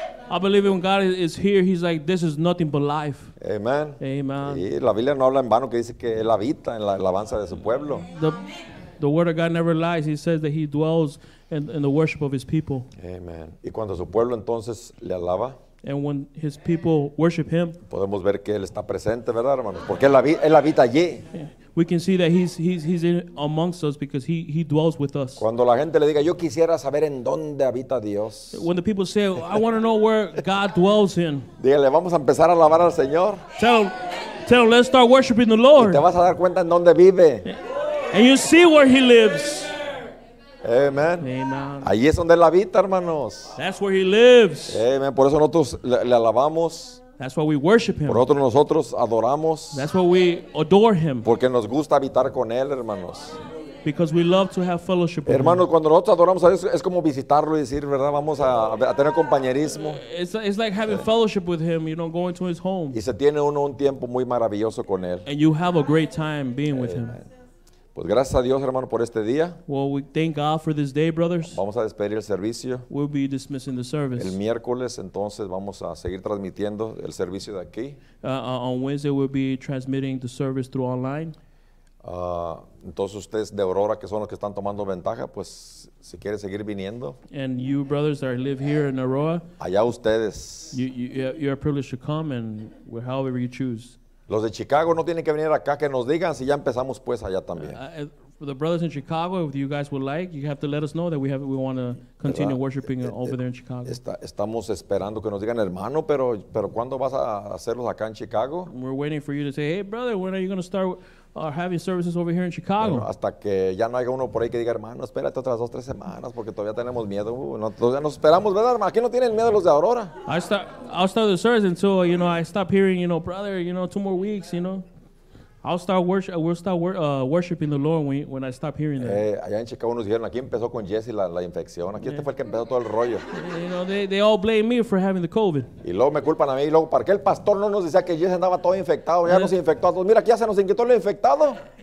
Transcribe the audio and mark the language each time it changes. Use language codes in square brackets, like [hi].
[en] I believe when God is here, he's like, this is nothing but life. Amen. Amen. [es] Y la Biblia no habla en vano que dice que él habita en la alabanza de su pueblo. [en] The word of God never lies. He says that he dwells in the worship of his people. Amen. [es] Y cuando su pueblo entonces le alaba. [en] And when his people worship him. [es] Podemos ver que él está presente, ¿verdad, hermanos? Porque él habita allí. [en] We can see that he's in amongst us because he dwells with us. [es] Cuando la gente le diga, yo quisiera saber en dónde habita Dios. [en] When the people say, I want to know where God dwells in. [es] Dígale, vamos a empezar a alabar al Señor. [en] Tell him, let's start worshiping the Lord. [es] Y te vas a dar cuenta en dónde vive. [en] And you see where he lives. Amen. Amen. [es] Ahí es donde él habita, hermanos. [en] That's where he lives. Amen. [es] Por eso nosotros le alabamos. [en] That's why we worship him. [es] Por otro nosotros adoramos. [en] That's why we adore him. [es] Porque nos gusta habitar con él, hermanos. [en] because we love to have fellowship. [es] Hermanos, cuando nosotros adoramos a Dios es como visitarlo y decir, ¿verdad? Vamos a tener compañerismo. [en] It's like having fellowship with him, you know, going to his home. [es] Y se tiene uno un tiempo muy maravilloso con él. [en] And you have a great time being with him. [es] Pues gracias a Dios, hermano, por este día. [en] Well, we thank God for this day, brothers. [es] Vamos a despedir el servicio. [en] We'll be dismissing the service. [es] El miércoles, entonces, vamos a seguir transmitiendo el servicio de aquí. [en] On Wednesday, we'll be transmitting the service through online. [es] Entonces ustedes de Aurora, que son los que están tomando ventaja, pues si quieren seguir viniendo. [en] And you brothers that live here in Aurora. [es] Allá ustedes. [en] You are privileged to come and however you choose. [es] Los de Chicago no tienen que venir acá, que nos digan si ya empezamos pues allá también. [en] The brothers in Chicago, if you guys would like, you have to let us know that we want to continue worshiping over there in Chicago. [es] Estamos esperando que nos digan, hermano, pero ¿cuándo vas a hacerlos acá en Chicago? [en] We're waiting for you to say, hey brother, when are you going to start having services over here in Chicago? [es] Bueno, hasta que ya no haya uno por ahí que diga, hermano, espérate otras dos, tres semanas, porque todavía tenemos miedo. Nos esperamos, ¿verdad, hermano? Aquí no tienen miedo los de Aurora. [en] I'll start the service until, you know, I stop hearing, you know, brother, you know, two more weeks, you know. I'll start worshiping the Lord when I stop hearing that. [es] Allá en Chicago nos dijeron, aquí empezó con Jesse la infección. Aquí este fue el que empezó todo el rollo. [en] You know, they all blame me for having the COVID. [es] Y luego me culpan a mí. Y luego, ¿para qué el pastor no nos decía que Jesse andaba todo infectado? Ya nos infectó a todos. Mira, aquí ya se nos inquietó lo infectado.